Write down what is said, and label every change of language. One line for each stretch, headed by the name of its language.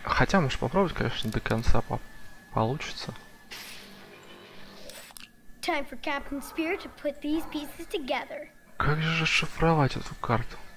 Russian: Хотя, может, попробовать, конечно, до конца получится.
English: Time for Captain Spear to put these pieces together.
Russian: Как же расшифровать эту карту?